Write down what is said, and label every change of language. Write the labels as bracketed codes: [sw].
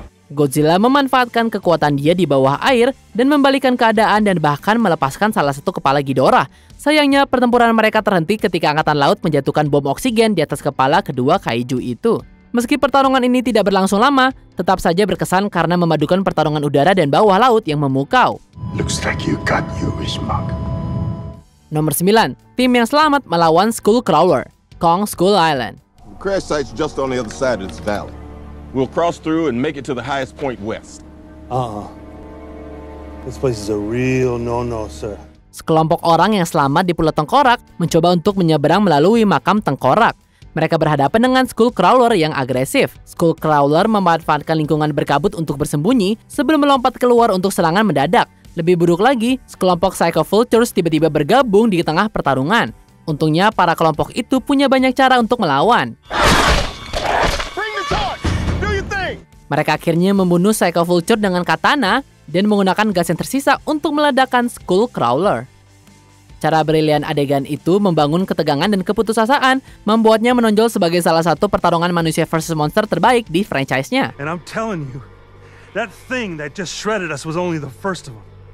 [id] Godzilla memanfaatkan kekuatan dia di bawah air dan membalikkan keadaan dan bahkan melepaskan salah satu kepala Ghidorah. Sayangnya, pertempuran mereka terhenti ketika angkatan laut menjatuhkan bom oksigen di atas kepala kedua kaiju itu. Meski pertarungan ini tidak berlangsung lama, tetap saja berkesan karena memadukan pertarungan udara dan bawah laut yang memukau. [en] Looks like you got your wish, Mark. [id] Nomor 9, tim yang selamat melawan Skullcrawler, Kong Skull Island. [en] Crash site's just on the other side of this valley. We'll cross through and make it to the highest point west. This place is a real no-no, sir. [id] Sekelompok orang yang selamat di Pulau Tengkorak mencoba untuk menyeberang melalui makam Tengkorak. Mereka berhadapan dengan Skullcrawler yang agresif. Skullcrawler memanfaatkan lingkungan berkabut untuk bersembunyi sebelum melompat keluar untuk serangan mendadak. Lebih buruk lagi, sekelompok Psycho Vultures tiba-tiba bergabung di tengah pertarungan. Untungnya, para kelompok itu punya banyak cara untuk melawan. Mereka akhirnya membunuh Psycho Vulture dengan katana dan menggunakan gas yang tersisa untuk meledakkan Skullcrawler. Cara brilian adegan itu membangun ketegangan dan keputusasaan, membuatnya menonjol sebagai salah satu pertarungan manusia versus monster terbaik di franchise-nya. [en] And I'm telling you, that thing that just shredded us was only the first of them.